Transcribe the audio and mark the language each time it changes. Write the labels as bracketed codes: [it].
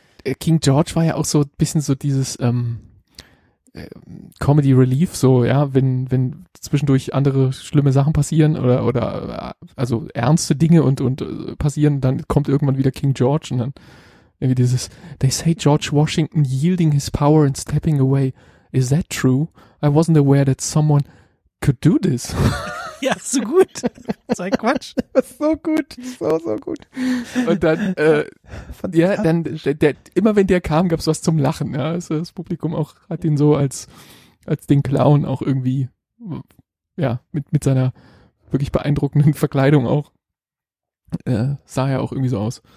[de] Der King George war ja auch so ein bisschen so dieses Comedy Relief, so, ja, wenn zwischendurch andere schlimme Sachen passieren oder also ernste Dinge und passieren, dann kommt irgendwann wieder King George und dann irgendwie dieses, [en] they say George Washington yielding his power and stepping away. Is that true? I wasn't aware that someone could do this. [de] Ja, so gut. So ein Quatsch. So gut. So gut. Und dann, dann, immer wenn der kam, gab es was zum Lachen. Ja, also das Publikum auch hat ihn so als den Clown auch irgendwie, ja, mit seiner wirklich beeindruckenden Verkleidung auch, sah ja auch irgendwie so aus.